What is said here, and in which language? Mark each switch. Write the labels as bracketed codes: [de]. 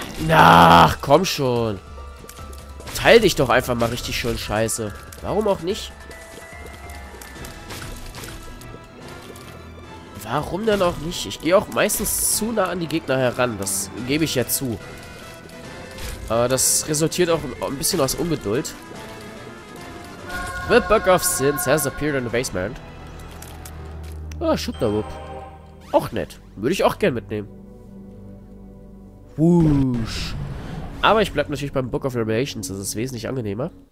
[de] Ach, komm schon. Teil dich doch einfach mal richtig schön scheiße. Warum auch nicht? Warum denn auch nicht? Ich gehe auch meistens zu nah an die Gegner heran. Das gebe ich ja zu. Aber das resultiert auch ein bisschen aus Ungeduld. [en] The Book of Sins has appeared in the basement. [de] Ah, Schubnerwupp. Auch nett. Würde ich auch gern mitnehmen. Wusch. Aber ich bleibe natürlich beim Book of Revelations. Das ist wesentlich angenehmer.